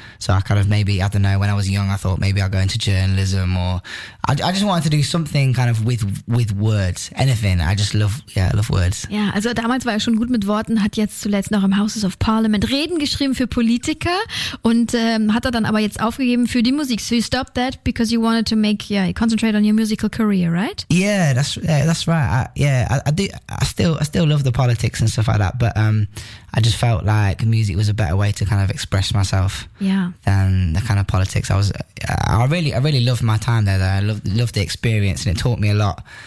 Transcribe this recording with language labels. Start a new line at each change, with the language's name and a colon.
English: So I kind of maybe, I don't know, when I was young, I thought maybe I'll go into journalism or I just wanted to do something kind of with words, anything. I just love words.
German: Ja, also damals war er schon gut mit Worten, hat jetzt zuletzt noch im Houses of Parliament Reden geschrieben für Politiker und hat er dann aber jetzt aufgegeben für die Musik.
English: So you stopped that because you wanted to concentrate on your musical career, right? Yeah, that's right. I still love the politics and stuff like that, but I just felt like music was a better way to kind of express myself than the kind of politics. I really loved my time there though. I loved the experience and it taught me a lot.